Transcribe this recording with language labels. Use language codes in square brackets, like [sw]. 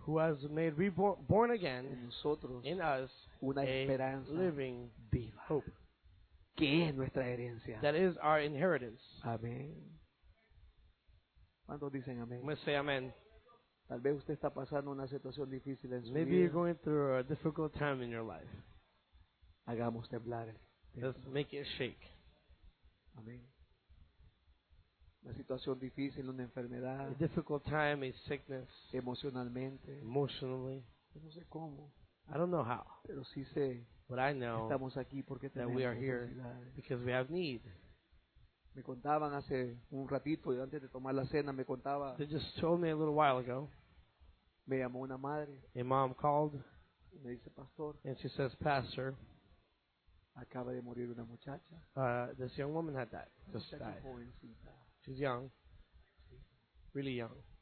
[en] who has made reborn again [es] en nosotros [en] in us [es] una esperanza [en] a living [es] viva, [en] hope [es] que es nuestra herencia. [en] That is our inheritance. [es] Amén. ¿Cuántos dicen amén? [en] Must say amen. [es] Tal vez usted está pasando una situación difícil en su [en] maybe [es] vida. [en] You're going through a difficult time in your life. [es] Hagamos temblar. [en] Let's make it shake. [es] Amén. Una situación difícil, una enfermedad. [en] A difficult time, a sickness. [es] Emocionalmente. [en] Emotionally. [es] No sé cómo. [en] I don't know how. [es] Pero sí sé. [en] But I know [es] estamos aquí porque [en] that we are here because we have need. [es] Me contaban hace un ratito, antes de tomar la cena, me contaba. [en] They just told me a little while ago. [es] Me llamó una madre. [en] A mom called. [es] Y me dice, pastor. [en] And she says, pastor. [es] Acaba de morir una muchacha. [en] This young woman had that. Just died. [es] Jovencita. [en] She's young. Really young.